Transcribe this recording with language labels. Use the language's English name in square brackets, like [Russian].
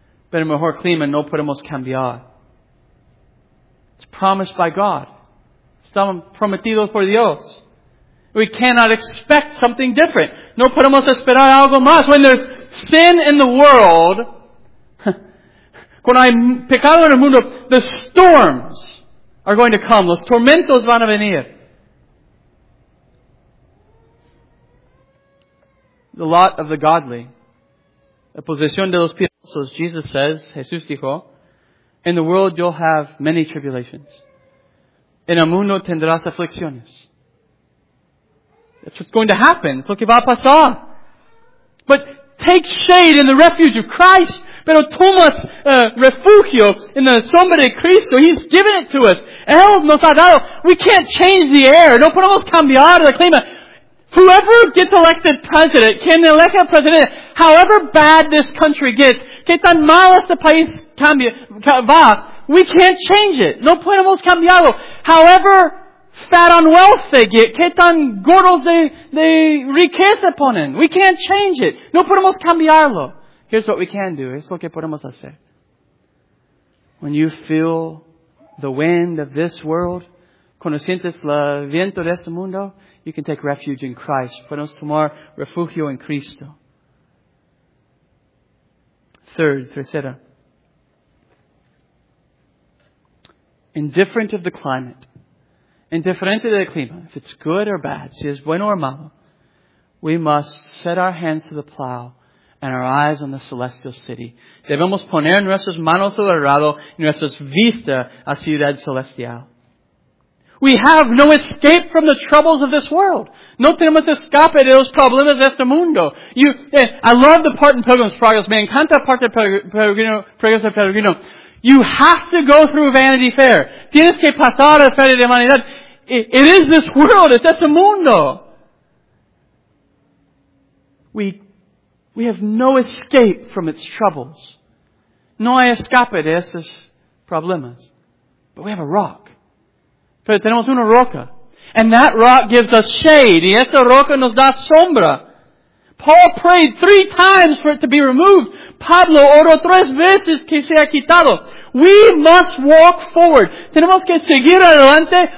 [Spanish] Pero mejor clima no podemos cambiar. [English] It's promised by God. [Spanish] Están prometidos por Dios. [English] We cannot expect something different. [Spanish] No podemos esperar algo más. [English] When there's sin in the world, [Spanish] cuando hay pecado en el mundo, [English] the storms are going to come. [Spanish] Los tormentos van a venir. [English] The lot of the godly. [Spanish] La posición de los piadosos, [English] Jesus says, [Spanish] Jesús dijo, [English] in the world you'll have many tribulations. [Spanish] En el mundo tendrás aflicciones. [English] That's what's going to happen. [Spanish] Es lo que va a pasar. [English] But take shade in the refuge of Christ. [Spanish] Pero tomas refugio en la sombra de Cristo. [English] He's given it to us. [Spanish] Él nos ha dado. [English] We can't change the air. [Spanish] No podemos cambiar el clima. [English] Whoever gets elected president, [Spanish] quien elige president, [English] however bad this country gets, [Spanish] que tan mal este país cambia, va, [English] we can't change it. [Spanish] No podemos cambiarlo. [English] However fat on wealth they get, [Spanish] que tan gordos de riqueza ponen, [English] we can't change it. [Spanish] No podemos cambiarlo. [English] Here's what we can do. [Spanish] Es lo que podemos hacer. [English] When you feel the wind of this world, [Spanish] cuando sientes el viento de este mundo, [English] you can take refuge in Christ. [Spanish] Podemos tomar refugio en Cristo. Tercera. [English] Indifferent of the climate. Indifferent of the clima. If it's good or bad. [Spanish] Si es bueno o malo. [English] We must set our hands to the plow and our eyes on the celestial city. [Spanish] Debemos poner nuestras manos al arado y nuestras vistas a ciudad celestial. [English] We have no escape from the troubles of this world. [Spanish] No tenemos escape de los problemas de este mundo. [English] I love the part in Pilgrim's Progress. [Spanish] Me encanta parte de Progreso de Peregrino. [English] You have to go through Vanity Fair. [Spanish] Tienes que pasar la Feria de Humanidad. [English] It is this world. It's [Spanish] este mundo. [English] We have no escape from its troubles. [Spanish] No hay escape de estos problemas. [English] But we have a rock. [Spanish] Pero tenemos una roca. [English] And that rock gives us shade. [Spanish] Y esta roca nos da sombra. [English] Paul prayed 3 times for it to be removed. [Spanish] Pablo oró 3 veces que sea quitado. [English] We must walk forward. [Spanish] Tenemos que seguir adelante.